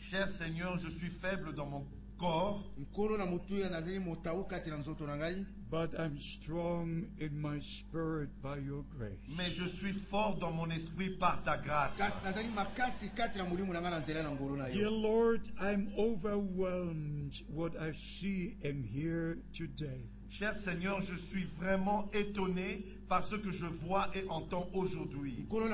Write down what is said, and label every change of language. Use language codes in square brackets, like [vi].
[fr] Cher Seigneur, je suis faible dans mon corps. [en] But I'm strong in my spirit by your grace. [fr] Mais je suis fort dans mon esprit par ta grâce. [en] Dear Lord, I'm overwhelmed what I see and hear today. [fr] Cher Seigneur, je suis vraiment étonné par ce que je vois et entends aujourd'hui.